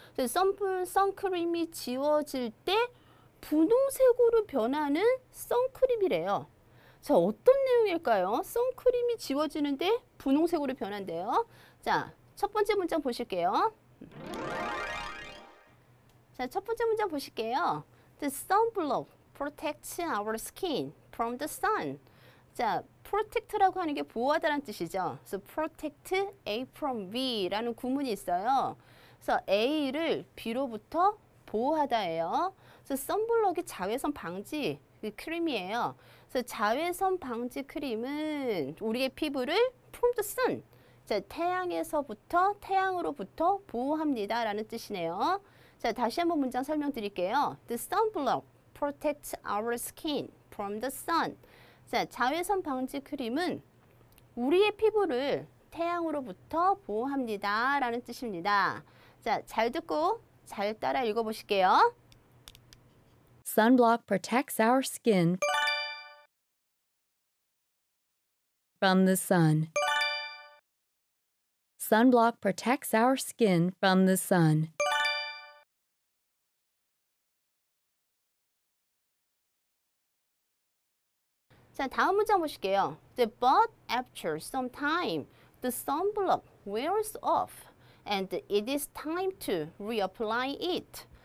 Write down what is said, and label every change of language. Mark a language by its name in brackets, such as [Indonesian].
[Korean] 자, 선크림이 지워질 때 분홍색으로 변하는 선크림이래요. 자, 어떤 내용일까요? 선크림이 지워지는데 분홍색으로 변한대요. 자, 첫 번째 문장 보실게요. 자, 첫 번째 문장 보실게요. [English] The sunblock protects our skin from the sun. [Korean] 자, protect라고 하는 게 보호하다는 뜻이죠. [English] So protect A from B [Korean] 라는 구문이 있어요. 그래서 A를 B로부터 보호하다예요. 그래서 선블록이 자외선 방지 크림이에요. 그래서 자외선 방지 크림은 우리의 피부를 [English] from the sun, [Korean] 자, 태양에서부터 태양으로부터 보호합니다 라는 뜻이네요. 자, 다시 한번 문장 설명드릴게요. [English] The sunblock protects our skin from the sun. [Korean] 자, 자외선 방지 크림은 우리의 피부를 태양으로부터 보호합니다 라는 뜻입니다. 자, 잘 듣고 잘 따라 읽어보실게요. [English] Sunblock protects our skin from the sun. Sunblock protects our skin from the sun. [Korean] So, 다음 문장 보실게요. [English] The but after some time, the sunblock wears off and it is time to reapply it.